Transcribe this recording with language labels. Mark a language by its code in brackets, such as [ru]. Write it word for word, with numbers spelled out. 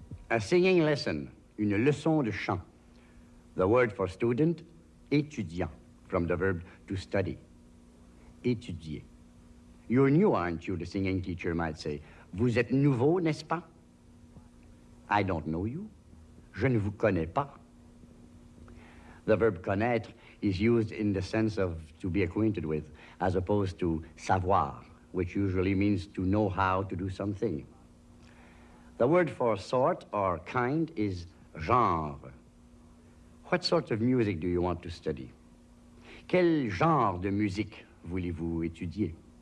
[en] A singing lesson, [fr] une leçon de chant. [en] The word for student, étudiant, from the verb to study. Étudier. You're new, aren't you, the singing teacher might say. [fr] Vous êtes nouveau, n'est-ce pas? [en] I don't know you. [fr] Je ne vous connais pas. [en] The verb connaître is used in the sense of to be acquainted with, as opposed to savoir, which usually means to know how to do something. The word for sort or kind is genre. What sort of music do you want to study? [fr] Quel genre de musique voulez-vous étudier?